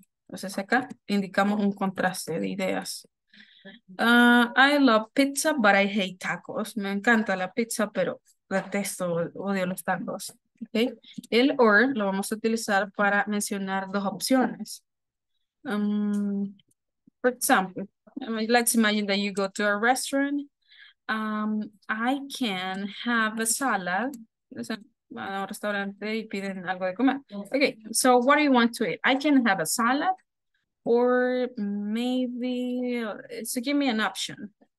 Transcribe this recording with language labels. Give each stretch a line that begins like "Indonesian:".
Spanish: Entonces acá indicamos un contraste de ideas.
English: I love pizza, but I hate tacos.
Spanish: Me encanta la pizza, pero detesto, odio los tacos. Okay. El or lo vamos a utilizar para mencionar dos opciones.
English: For example, let's imagine that you go to a restaurant. I can have a salad.
Spanish: Van a un restaurante y piden algo de comer.
English: Okay, so what do you want to eat? I can have a salad, or maybe, so give me an option.